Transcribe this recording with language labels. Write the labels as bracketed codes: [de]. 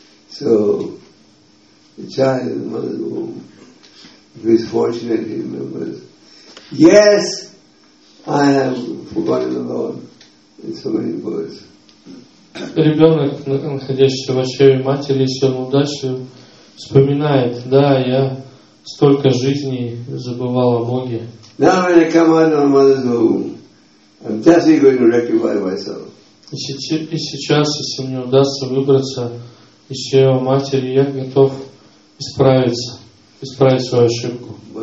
[en] So, the child in mother's womb, who is fortunate, he remembers, yes, I have forgotten the Lord in so many words. [ru] Ребенок, находящийся в чреве матери, если он удачлив, вспоминает, да, я столько жизней забывал о Боге. [en] Now when I come out of my mother's womb, I'm definitely going to rectify myself. [ru] И сейчас, если мне удастся выбраться из чрева матери, я готов исправить свою ошибку.